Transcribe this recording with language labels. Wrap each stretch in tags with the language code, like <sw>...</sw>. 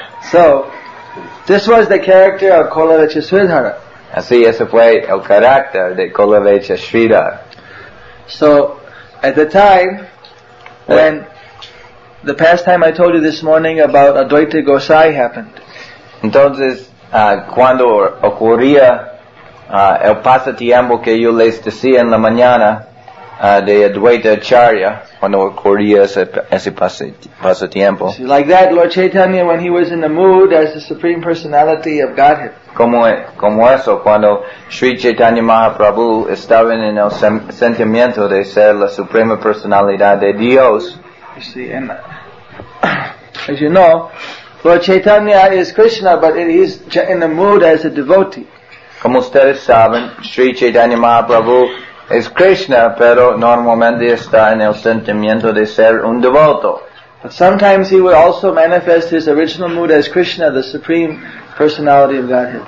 <en>So, this was the character of Kolavecha Sridhara.</en> <es>Así, ese fue el carácter de Kolavecha Sridhara.</es> <en>So, at the time, when the past time I told you this morning about Advaita Gosai happened.</en> <es>Entonces, cuando ocurría el pasatiempo que yo les decía en la mañana de Advaita Acharya, cuando ocurría ese pasatiempo.</es> <en>See, like that, Lord Chaitanya, when he was in the mood as the Supreme Personality of Godhead.</en> <es>Como eso, cuando Sri Chaitanya Mahaprabhu estaba en el sentimiento de ser la Suprema Personalidad de Dios.</es> <en>You see, and as you know, Lord Chaitanya is Krishna, but he's in the mood as a devotee.</en> <es>Como ustedes saben, Sri Chaitanya Mahaprabhu es Krishna, pero normalmente está en el sentimiento de ser un devoto.</es> <en>But sometimes he will also manifest his original mood as Krishna, the Supreme Personality of Godhead.</en>